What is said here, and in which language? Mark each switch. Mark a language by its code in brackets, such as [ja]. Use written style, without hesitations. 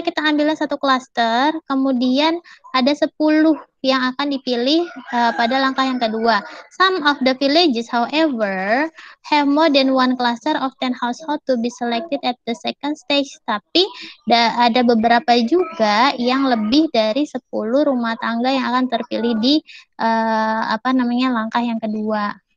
[id] Kita ambilnya satu cluster, kemudian ada 10 yang akan dipilih pada langkah yang kedua. [en] Some of the villages however have more than one cluster of 10 households to be selected at the second stage. [id] Tapi ada beberapa juga yang lebih dari 10 rumah tangga yang akan terpilih di langkah yang kedua.